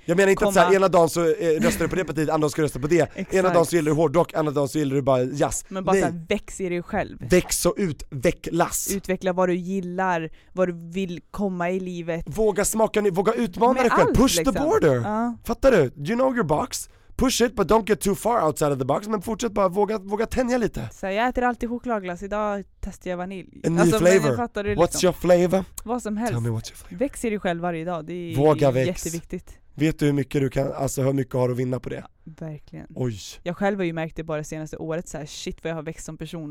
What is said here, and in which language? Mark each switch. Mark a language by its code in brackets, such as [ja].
[sv] jag menar inte komma att så här, ena dagen så röstar du på det partiet, andra dagen ska rösta på det. Exakt. Ena dagen så gillar du hårdrock, andra dagen så gillar du bara jazz. Men bara såhär, väx i dig själv. Väx och utvecklas. Utveckla vad du gillar, vad du vill komma i livet. Våga smaka, våga utmana dig själv. [en] Push [sv] liksom. [en] The border. [sv] Fattar du? [en] You know your box. Push it, but don't get too far outside of the box. [sv] Men fortsätt bara våga tänja lite. Så jag äter alltid chokladglass. Idag testar jag vanilj. En ny alltså, flavor. Fattar du liksom. [en] What's your flavor? [sv] Vad som helst. [en] Tell me what's your flavor. [sv] Väx i dig själv varje dag. Det är våga växa. Jätteviktigt. Vet du hur mycket du kan, alltså hur mycket har du att vinna på det? Ja, verkligen. Oj. Jag själv har ju märkt det bara det senaste året. Så här, [en] shit vad [sv] jag har växt som person.